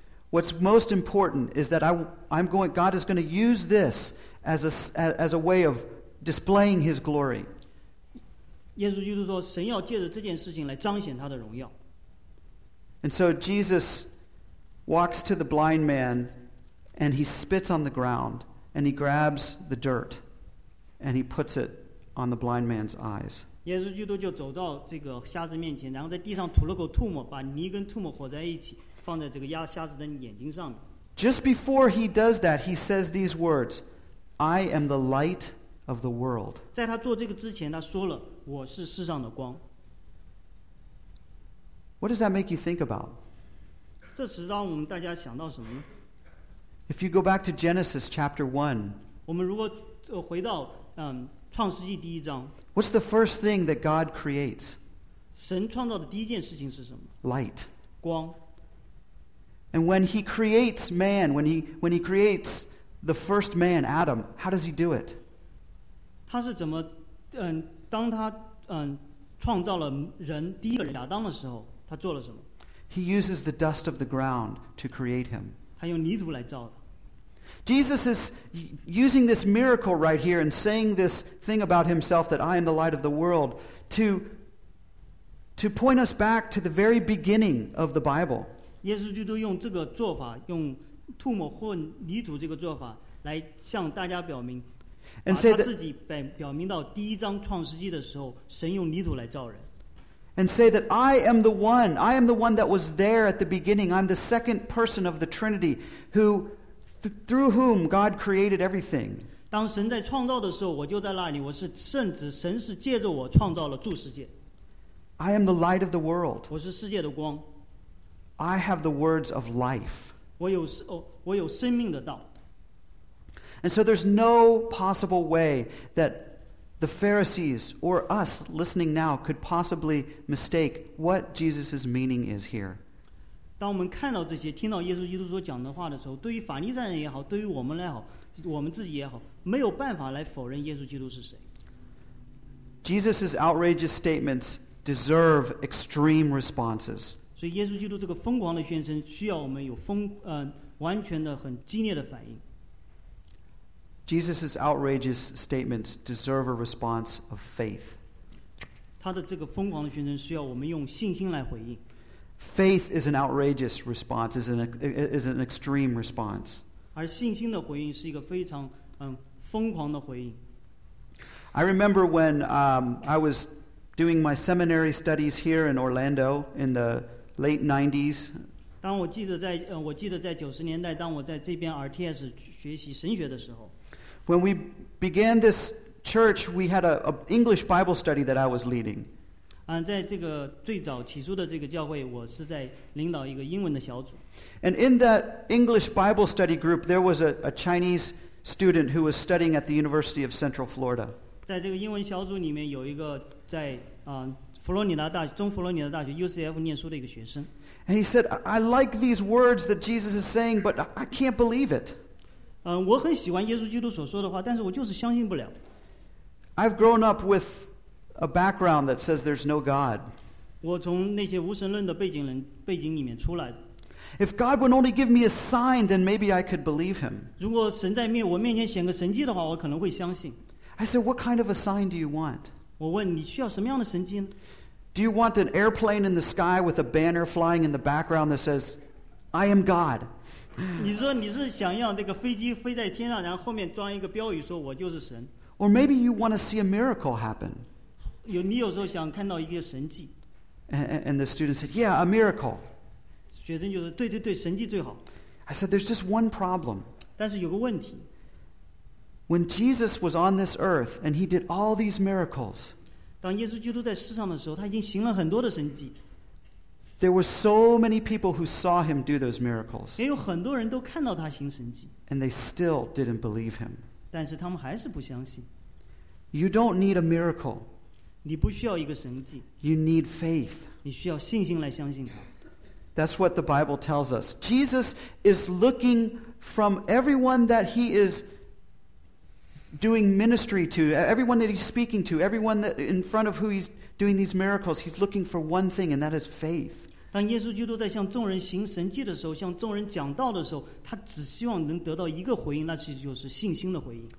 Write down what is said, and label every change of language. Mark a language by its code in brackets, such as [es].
[en] What's most important is that God is going to use this as a way of displaying his glory. [zh] 耶稣基督说, 神要借着这件事情来彰显他的荣耀。 [en] And so Jesus walks to the blind man and he spits on the ground and he grabs the dirt and he puts it on the blind man's eyes. [zh] 耶稣基督就走到这个瞎子面前, 然后在地上吐了口吐沫, 把泥跟吐沫混在一起, 放在这个瞎子的眼睛上面。 [en] Just before he does that, he says these words, I am the light of the world. [zh] 在他做这个之前, 他说了, 我是世上的光。 [en] What does that make you think about? [zh] 这时让我们大家想到什么呢? [en] If you go back to Genesis chapter 1, [zh] 我们如果回到, 创世纪第一章, [en] what's the first thing that God creates? [zh] 神创造的第一件事情是什么? [en] Light. [zh] 光。 [en] And when he creates man, when he creates the first man, Adam, how does he do it? [zh] 他是怎么, 当他, 创造了人, 第一个人亚当的时候, 他做了什么? [en] He uses the dust of the ground to create him. [zh] 他用泥土来造的。 [en] Jesus is using this miracle right here and saying this thing about himself that I am the light of the world to point us back to the very beginning of the Bible. [zh] 耶稣基督用这个做法, 用吐沫混泥土这个做法, 来向大家表明, [en] and say that, [zh] 表明到第一章创世纪的时候, 神用泥土来造人。 [en] And say that I am the one that was there at the beginning. I'm the second person of the Trinity through whom God created everything. [zh] 当神在创造的时候, 我就在那里, 我是圣子, 神是借着我创造了诸世界。 [en] I am the light of the world. [zh] 我是世界的光。 [en] I have the words of life. [zh] 我有生命的道。 [en] And so there's no possible way that the Pharisees or us listening now could possibly mistake what Jesus' meaning is here. [zh] 当我们看到这些, 听到耶稣基督所讲的话的时候, 对于法利赛人也好, 对于我们来好, 我们自己也好, 没有办法来否认耶稣基督是谁。 [en] Jesus' outrageous statements deserve extreme responses. [zh] 所以耶稣基督这个疯狂的宣称, 需要我们有疯, 完全的很激烈的反应。 [en] Jesus' outrageous statements deserve a response of faith. [zh] 他的这个疯狂的宣称需要我们用信心来回应。 [en] Faith is an outrageous response, is an extreme response. [zh] 而信心的回应是一个非常, 疯狂的回应。 [en] I remember when I was doing my seminary studies here in Orlando in the late 90s. [zh] 我记得在 90年代, 当我在这边 RTS学习神学的时候, [en] when we began this church, we had an English Bible study that I was leading. [zh] 在这个最早起初的这个教会, 我是在领导一个英文的小组。 [en] And in that English Bible study group, there was a Chinese student who was studying at the University of Central Florida. [zh] 在这个英文小组里面, 有一个在, 佛罗里达大学, 中佛罗里达大学, UCF念书的一个学生。 [en] And he said, I like these words that Jesus is saying, but I can't believe it. [zh] 我很喜欢耶稣基督所说的话，但是我就是相信不了。 [en] I've grown up with a background that says there's no God. [zh] 我从那些无神论的背景里面出来。 [en] If God would only give me a sign, then maybe I could believe him. [zh] 如果神在我面前显个神迹的话，我可能会相信。 [en] I said, what kind of a sign do you want? [zh] 我问你需要什么样的神迹呢？ [en] Do you want an airplane in the sky with a banner flying in the background that says, I am God? [zh] 你说你是想要那个飞机飞在天上，然后后面装一个标语说我就是神。 [en] Or maybe you want to see a miracle happen. [zh] 你有时候想看到一个神迹。 [en] And the student said, yeah, a miracle. [zh] 学生就是对对对，神迹最好。 [en] I said, there's just one problem. [zh] 但是有个问题。 [en] When Jesus was on this earth and he did all these miracles, [zh] 当耶稣基督在世上的时候，他已经行了很多的神迹。 [en] There were so many people who saw him do those miracles. [zh] 也有很多人都看到他行神迹。 [en] And they still didn't believe him. [zh] 但是他们还是不相信。 [en] You don't need a miracle. [zh] 你不需要一个神迹。 [en] You need faith. [zh] 你需要信心来相信他。 [en] That's what the Bible tells us. Jesus is looking from everyone that he is doing ministry to, everyone that he's speaking to, everyone that in front of who he's doing these miracles, he's looking for one thing, and that is faith. [zh] 当耶稣基督在向众人行神迹的时候，向众人讲道的时候，他只希望能得到一个回应，那就是信心的回应。